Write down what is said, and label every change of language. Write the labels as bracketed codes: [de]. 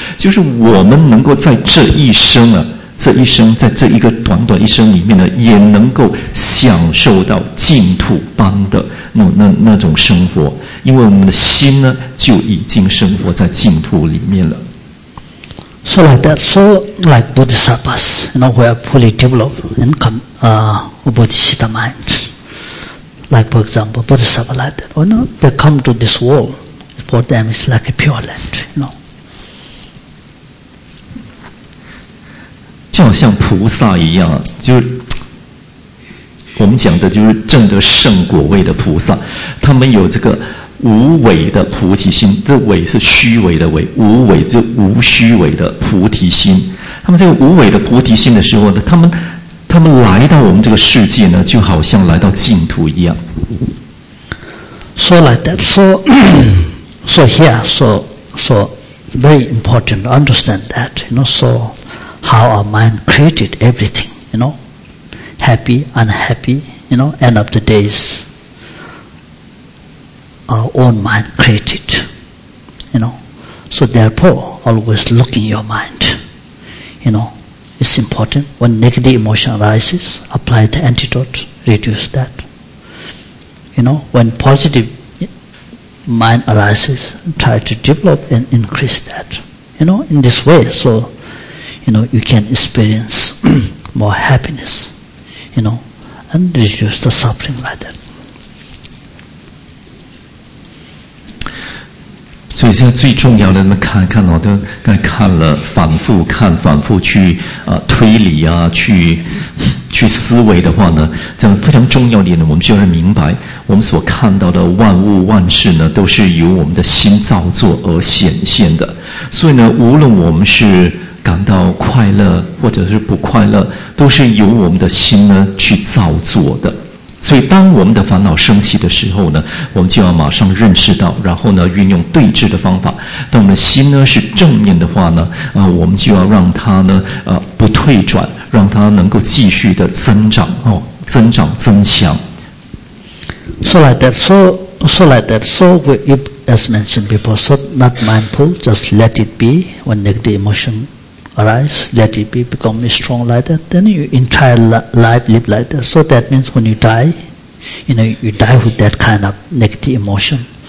[zh] 就是我们能够在这一生啊，这一生在这一个短短一生里面呢，也能够享受到净土般的那种生活，因为我们的心呢就已经生活在净土里面了。 [en] So like that, so like Bodhisattvas, you know, who are fully developed in Bodhisattva mind. Like for example, Bodhisattva like that, you know, they come to this world, for them it's like a pure land, you know. [zh] 就好像菩萨一样，就是我们讲的就是证得圣果位的菩萨，他们有这个无伪的菩提心，这伪是虚伪的伪，无伪就无虚伪的菩提心。他们这个无伪的菩提心的时候呢，他们来到我们这个世界呢，就好像来到净土一样。 [en] So like that, so here, so very important to understand that, you know, so how our mind created everything, you know, happy, unhappy, you know, end of the days. Our own mind created, you know. So therefore, always look in your mind. You know, it's important. When negative emotion arises, apply the antidote, reduce that. You know, when positive mind arises, try to develop and increase that. You know, in this way, so, you know, you can experience more happiness, you know, and reduce the suffering like that. [zh] 所以现在最重要的，那么看看哦，都看了，反复看，反复去推理啊，去思维的话呢，这样非常重要的点呢，我们就要明白，我们所看到的万物万事呢，都是由我们的心造作而显现的。所以呢，无论我们是感到快乐或者是不快乐，都是由我们的心呢去造作的。所以当我们的烦恼生气的时候呢，我们就要马上认识到，然后呢运用对治的方法。当我们的心呢是正面的话呢，我们就要让它呢不退转，让它能够继续的增长，哦，增长增强。 [en] So like that, as mentioned before, so not mindful, just let it be. When negative emotion arise, let it be, become strong like that. Then you entire life live like that. So that means when you die, you know, you die with that kind of negative emotion.